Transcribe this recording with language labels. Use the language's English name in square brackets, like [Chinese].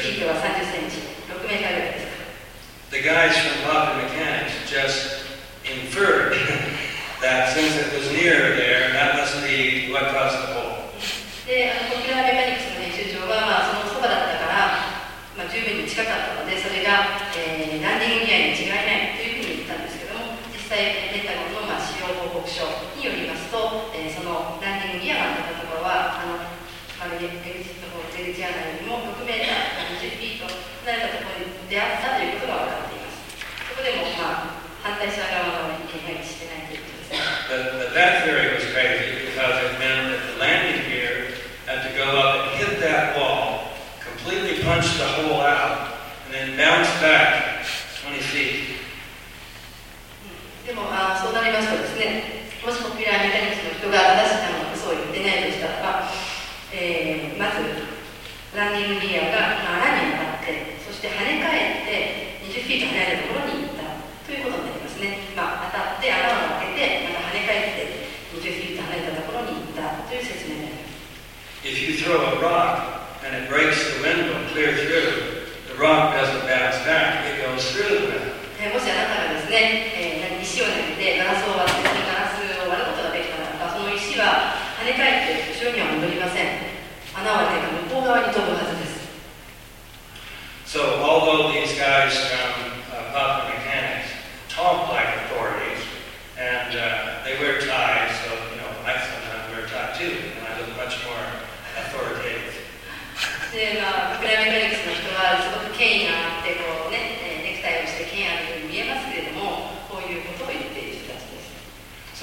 [Japanese] 1フィートは30センチ、6メートルぐらいですか。 [English] The guys from Poppet Mechanics just inferred that since it was near there, that must be what caused the hole. [Japanese] で、ポピュラーメカニクスの編集長は、そのそばだったから、十分に近かったので、それが、ランディングギアに違いないというふうに言ったんですけども、実際、ペンタゴンの、使用報告書によりますと、そのランディングギアがあったところは、エグジットホール、エグジアナよりも6メーター、20フィート離れたところであったということが分かっています。そこでも、反対者側の意見が一致してないということですね。 [English] But that theory was crazy because it meant that the landing gear had to go up and hit that wall, completely punch the hole out, and then bounce back 20 feet. [Japanese] でも、そうなりますとですね、もしポピュラーメカニクスの人が正しいものを嘘を言ってないとしたらば、まずランディングギアが穴に当たって、そして跳ね返って20フィート離れたところに行ったということになりますね。当たって穴を開けて、また跳ね返って20フィート離れたところに行ったという説明になります。 [English] If you throw a rock and it breaks the window clear through, the rock doesn't bounce back, it goes through the window. [Japanese] もしあなたがですね、石を投げてガラスを割って、ガラスを割ることができたならば、その石は跳ね返って後ろには戻りません。穴を開けた向こう側に飛ぶはずです。 [English] So although these guys from Papua Mechanics talk like authorities and they wear ties, so you know, I sometimes wear a tie too, and I look much more authoritative. [Japanese] で、まあ、プライメカニクスの人はすごく権威があってこうね、ネクタイをして権威あるように見えますけれども、こういうことを言っている人たちです。